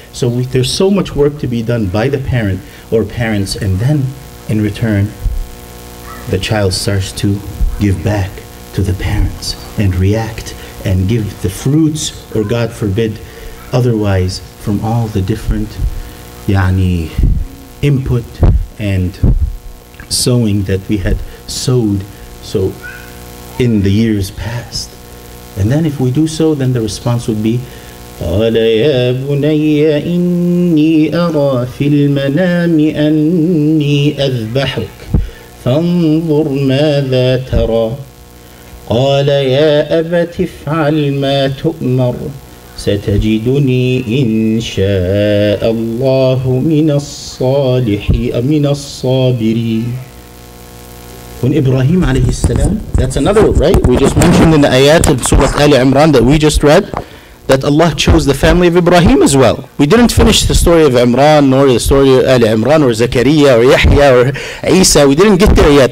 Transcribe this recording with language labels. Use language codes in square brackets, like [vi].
[en] So there's so much work to be done by the parent or parents, and then in return the child starts to give back to the parents and react and give the fruits, or God forbid otherwise, from all the different yani input and sowing that we had sowed so in the years past. And then if we do so, then the response would be, [ar] قَالَ يَا بُنَيَّ إِنِّي أَرَى فِي الْمَنَامِ أَنِّي أَذْبَحُكَ فَانْظُرْ مَاذَا تَرَى قَالَ يَا أَبَتِ افْعَلْ مَا تُؤْمَرُ ستجدني إن شاء الله من الصالحين من الصابرين. [en] When Ibrahim عليه السلام, that's another, right? We just mentioned in the ayat of Surah Ali Imran that we just read, that Allah chose the family of Ibrahim as well. We didn't finish the story of Imran, nor the story of Ali Imran, or Zakaria, or Yahya, or Isa. We didn't get there yet.